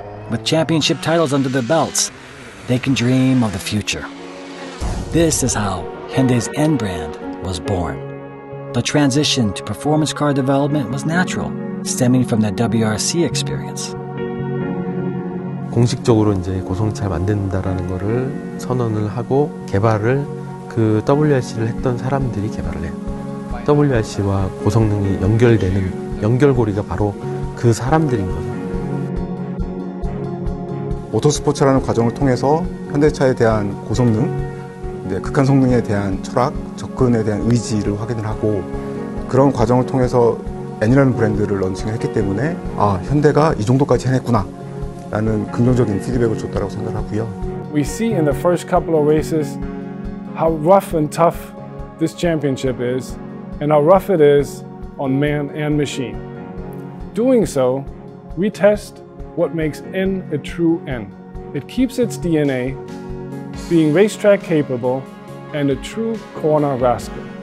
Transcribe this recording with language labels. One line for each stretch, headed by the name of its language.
English: With championship titles under their belts, they can dream of the future. This is how Hyundai's N brand was born. The transition to performance car development was natural, stemming from their WRC experience.
Korean: 공식적으로 이제 고성차를 만든다라는 거를 선언을 하고 개발을 그 WRC를 했던 사람들이 개발을 해요. WRC와 고성능이 연결되는 연결고리가 바로 그 사람들인 거죠. 오토스포츠라는 과정을 통해서 현대차에 대한 고성능, 극한 성능에 대한 철학, 접근에 대한 의지를 확인을 하고 그런 과정을 통해서 N이라는 브랜드를 런칭했기 때문에 아, 현대가 이 정도까지 해냈구나 나는 긍정적인 피드백을 줬다라고 생각하고요.
English: We see in the first couple of races how rough and tough this championship is and how rough it is on man and machine. Doing so, we test what makes N a true N. It keeps its DNA being racetrack capable and a true corner rascal.